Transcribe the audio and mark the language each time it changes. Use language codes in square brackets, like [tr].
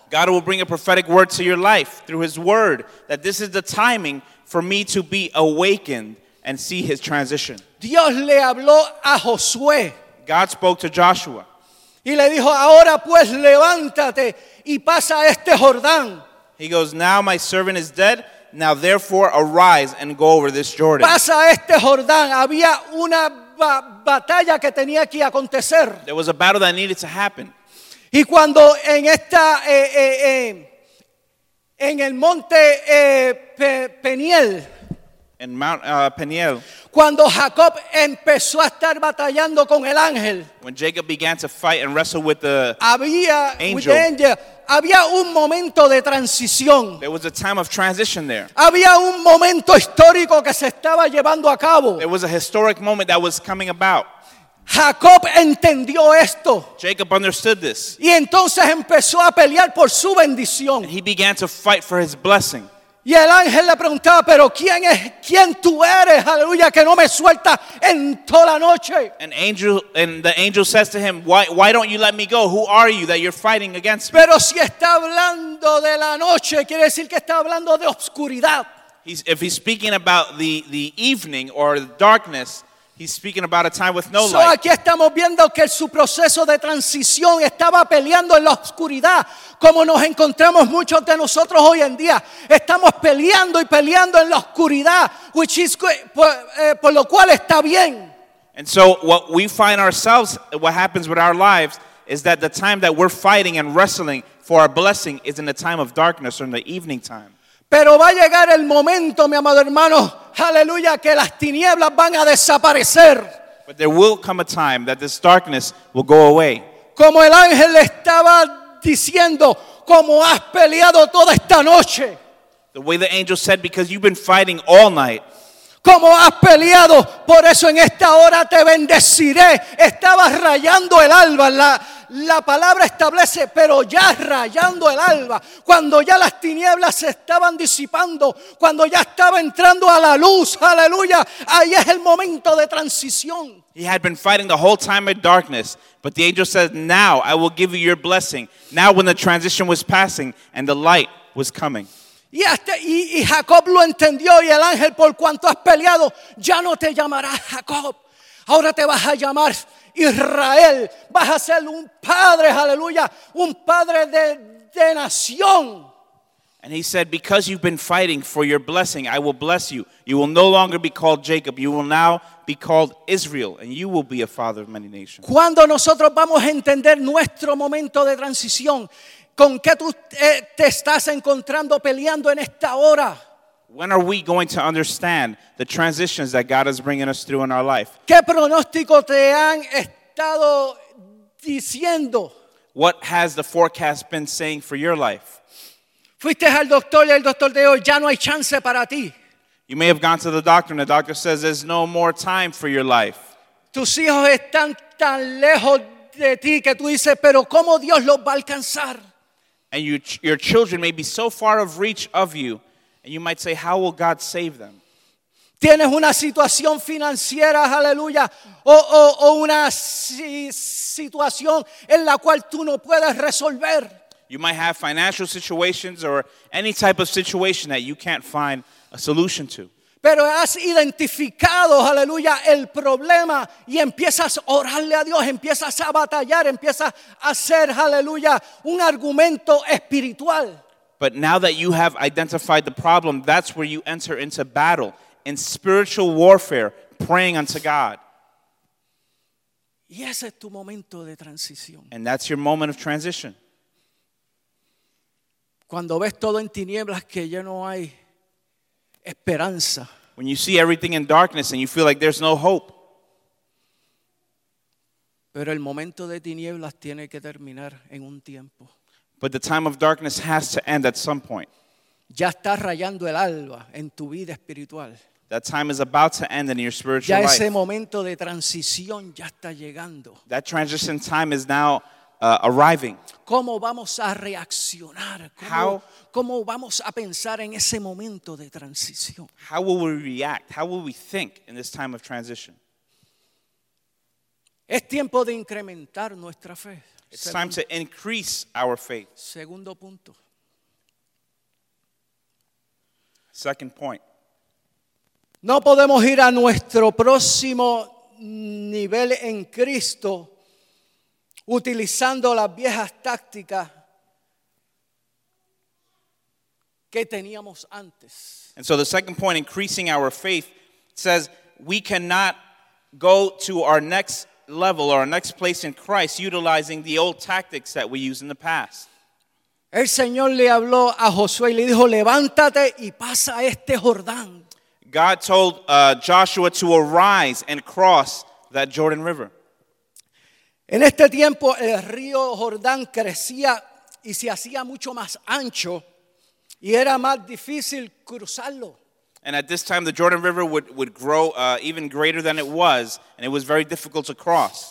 [en] God will bring a prophetic word to your life through his word that this is the timing for me to be awakened and see his transition. [es] Dios le habló a Josué. [en] God spoke to Joshua. [es] Y le dijo, ahora pues levántate y pasa este Jordán. [en] He goes, now my servant is dead. Now therefore arise and go over this Jordan. [es] Pasa este Jordán. Había una batalla que tenía que acontecer. [en] There was a battle that needed to happen. [es] Y cuando en esta, en el monte Peniel. [en] In Mount Peniel. [es] Cuando Jacob empezó a estar batallando con el ángel. [en] When Jacob began to fight and wrestle with the [es] había, [en] angel. With the angel. [es] Había un momento de transición. [en] There was a time of transition there. [es] Había un momento histórico que se estaba llevando a cabo. [en] There was a historic moment that was coming about. [es] Jacob entendió esto. [en] Jacob understood this. [es] Y entonces empezó a pelear por su bendición. [en] And he began to fight for his blessing. [es] Y el ángel le preguntaba, pero ¿quién es, quién tú eres, aleluya, que no me sueltas en toda la noche? [en] And the angel says to him, why don't you let me go? Who are you that you're fighting against me? [es] Pero si está hablando de la noche, quiere decir que está hablando de oscuridad. [en] If he's speaking about the evening or the darkness, he's speaking about a time with no light. [es] So aquí estamos viendo que su proceso de transición estaba peleando en la oscuridad, como nos encontramos muchos de nosotros hoy en día. Estamos peleando y peleando en la oscuridad, [en] which is [es] por lo cual está bien. [en] And so what we find ourselves, what happens with our lives, is that the time that we're fighting and wrestling for our blessing is in the time of darkness or in the evening time. [es] Pero va a llegar el momento, mi amado hermano, aleluya, que las tinieblas van a desaparecer. [en] But there will come a time that this darkness will go away. [es] Como el ángel estaba diciendo, como has peleado toda esta noche. [en] The way the angel said, because you've been fighting all night. [es] como has peleado. Por eso en esta hora te bendeciré. Estaba rayando el alba. La palabra establece, pero ya rayando el alba, cuando ya las tinieblas se estaban disipando, cuando ya estaba entrando a la luz, aleluya, ahí es el momento de transición. [en] He had been fighting the whole time in darkness, but the angel said, now I will give you your blessing. Now when the transition was passing and the light was coming. [es] Y Jacob lo entendió, y el ángel, por cuanto has peleado, ya no te llamarás Jacob. Ahora te vas a llamar Israel. Vas a ser un padre, aleluya, un padre de nación. [en] And he said, because you've been fighting for your blessing, I will bless you. You will no longer be called Jacob. You will now be called Israel, and you will be a father of many nations. [es] Cuando nosotros vamos a entender nuestro momento de transición, con qué tú te estás encontrando peleando en esta hora. [en] When are we going to understand the transitions that God is bringing us through in our life? [es] ¿Qué pronóstico te han estado diciendo? [en] What has the forecast been saying for your life? [es] Fuiste al doctor y el doctor dijo, ya no hay chance para ti. [en] You may have gone to the doctor and the doctor says there's no more time for your life. [es] Tus hijos están tan lejos de ti que tú dices, pero ¿cómo Dios los va a alcanzar? [en] And your children may be so far of reach of you. And you might say, how will God save them? [es] Tienes una situación financiera, aleluya, o una situación en la cual tú no puedes resolver. [en] You might have financial situations or any type of situation that you can't find a solution to. [es] Pero has identificado, aleluya, el problema y empiezas a orarle a Dios, empiezas a batallar, empiezas a hacer, aleluya, un argumento espiritual. [en] But now that you have identified the problem, that's where you enter into battle, in spiritual warfare, praying unto God. [es] Y ese es tu momento de transición. [en] And that's your moment of transition. [es] Cuando ves todo en tinieblas que ya no hay esperanza. [en] When you see everything in darkness and you feel like there's no hope. [es] Pero el momento de tinieblas tiene que terminar en un tiempo. [en] But the time of darkness has to end at some point. [es] Ya está rayando el alba en tu vida espiritual. [en] That time is about to end in your spiritual [es] ya ese [en] life. [es] Momento de transición ya está llegando. [en] That transition time is now arriving. [es] ¿Cómo vamos a reaccionar? ¿Cómo vamos a pensar en ese momento de transición? [en] How will we react? How will we think in this time of transition? [es] Es tiempo de incrementar nuestra fe. [en] It's time to increase our faith. [es] Segundo punto. [en] Second point. [es] No podemos ir a nuestro próximo nivel en Cristo utilizando las viejas tácticas que teníamos antes. [en] And so the second point, increasing our faith, says we cannot go to our next level or our next place in Christ utilizing the old tactics that we used in the past. [es] El Señor le habló a Josué y le dijo, levántate y pasa este Jordán. [en] God told Joshua to arise and cross that Jordan River. [es] En este tiempo el río Jordán crecía y se hacía mucho más ancho y era más difícil cruzarlo. [en] And at this time, the Jordan River would grow even greater than it was, and it was very difficult to cross.